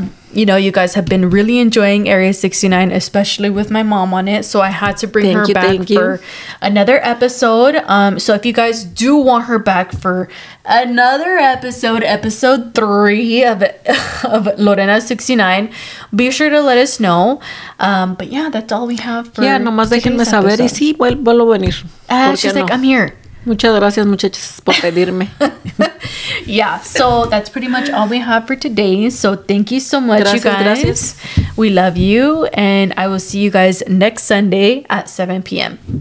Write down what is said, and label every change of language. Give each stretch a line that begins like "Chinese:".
English: You know, you guys have been really enjoying Area 69, especially with my mom on it. So I had to bring her back for another episode. So if you guys do want her back for another episode, episode 3 of Lorena69, be sure to let us know. But yeah, that's all we have for today's episode.
Spanish: Yeah, nomás déjenme saber y sí, vuelvo a venir.
English: She's like, I'm here.
Spanish: Muchas gracias, muchachas, por pedirme.
English: Yeah, so that's pretty much all we have for today. So thank you so much, gracias, you guys. Gracias. We love you. And I will see you guys next Sunday at 7 p.m.